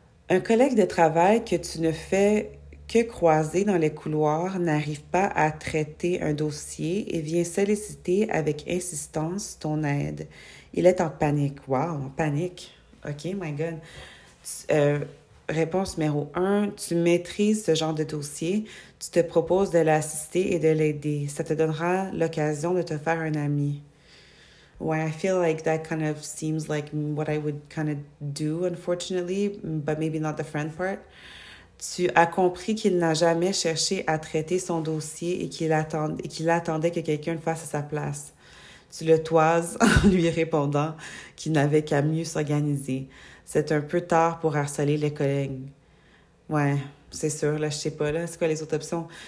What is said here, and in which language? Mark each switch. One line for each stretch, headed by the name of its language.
French: Un collègue de travail que tu ne fais que croiser dans les couloirs n'arrive pas à traiter un dossier et vient solliciter avec insistance ton aide. Il est en panique. Wow, en panique. OK, my God. Réponse numéro 1, tu maîtrises ce genre de dossier, tu te proposes de l'assister et de l'aider. Ça te donnera l'occasion de te faire un ami.
English: Ouais, I feel like that kind of seems like what I would kind of do, unfortunately, but maybe not the friend part.
French: Tu as compris qu'il n'a jamais cherché à traiter son dossier et qu'il attendait que quelqu'un le fasse à sa place. Tu le toises en lui répondant qu'il n'avait qu'à mieux s'organiser. C'est un peu tard pour harceler les collègues. Ouais, c'est sûr, là, je sais pas, là. C'est quoi les autres options?